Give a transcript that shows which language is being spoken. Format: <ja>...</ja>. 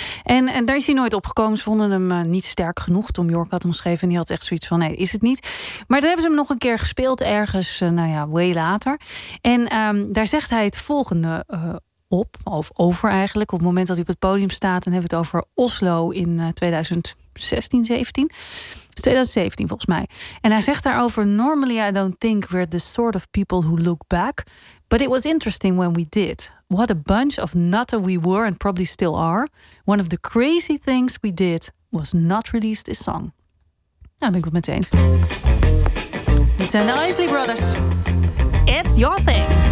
<nl>En daar is hij nooit opgekomen. Ze vonden hem niet sterk genoeg. Tom York had hem geschreven en die had echt zoiets van, nee, is het niet. Maar toen hebben ze hem nog een keer gespeeld ergens,</nl> <en>way later.</en> <nl>En daar zegt hij het volgende op, of over eigenlijk. Op het moment dat hij op het podium staat, en hebben we het over Oslo in 2016, 17. 2017 volgens mij. En hij zegt daarover:</nl> <en>normally I don't think we're the sort of people who look back, but it was interesting when we did. What a bunch of nutter we were and probably still are. One of the crazy things we did was not release this song.</en> <nl>Nou, ben ik het met eens. Dit zijn de Isley Brothers. It's Your Thing.</nl>